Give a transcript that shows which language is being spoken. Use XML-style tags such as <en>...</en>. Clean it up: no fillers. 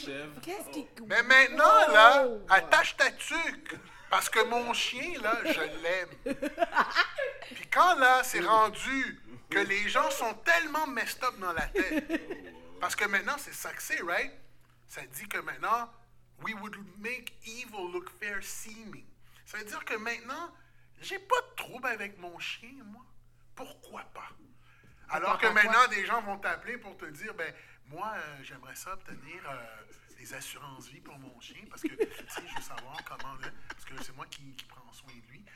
<fr>Des chèvres. Qu'est-ce qui... Mais maintenant, là, attache ta tuque. Parce que mon chien, là, je l'aime. Puis quand, là, c'est rendu que les gens sont tellement</fr> <en>messed up</en> <fr>dans la tête. Parce que maintenant, c'est ça que c'est,</fr> <en>right?</en> <fr>Ça dit que maintenant...</fr> <en>We would make evil look fair seeming.</en> <fr>Ça veut dire que maintenant, j'ai pas de trouble avec mon chien, moi. Pourquoi pas? Alors que maintenant, des gens vont t'appeler pour te dire, ben, moi, j'aimerais ça obtenir des assurances vie pour mon chien parce que, tu sais, je veux savoir comment, là, parce que c'est moi qui prends soin de lui.</fr>